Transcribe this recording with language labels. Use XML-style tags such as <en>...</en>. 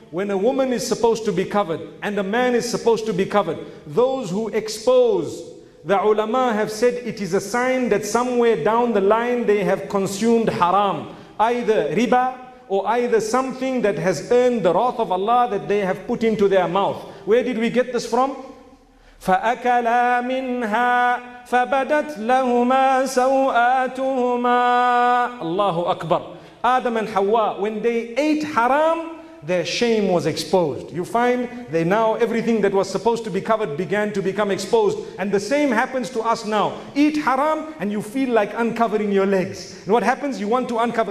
<en>When a woman is supposed to be covered and a man is supposed to be covered, those who expose, the ulama have said it is a sign that somewhere down the line they have consumed haram, either riba or either something that has earned the wrath of Allah that they have put into their mouth. Where did we get this from?</en> <ar>فأكلا منها فبدت لهما سوآتهما. الله أكبر.</ar> <en>Adam and Hawa, when they ate haram, their shame was exposed. You find they now everything that was supposed to be covered began to become exposed. And the same happens to us now. Eat haram and you feel like uncovering your legs. And what happens? You want to uncover.</en>